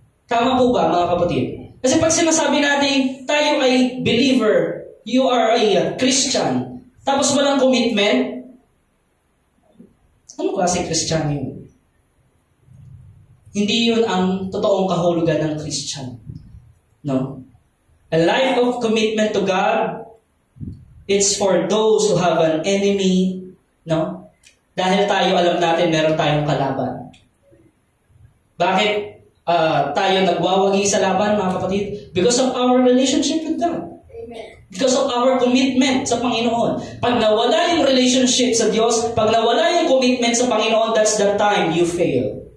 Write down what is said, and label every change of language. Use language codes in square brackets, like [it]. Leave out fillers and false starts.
[tl] Tama po ba, mga kapatid? Kasi pag sinasabi natin, tayo ay believer, [en] you are a Christian, [tl] tapos walang commitment, ano klase Christian yun? Hindi yun ang totoong kahulugan ng Christian. No? [en] A life of commitment to God, it's for those who have an enemy, no? [tl] Dahil tayo alam natin meron tayong kalaban. Bakit tayo nagwawagi sa laban, mga kapatid? [en] Because of our relationship with God. Amen. Because of our commitment [tl] sa Panginoon. Pag nawala yung relationship sa Diyos, pag nawala yung commitment sa Panginoon, [en] that's the time you fail.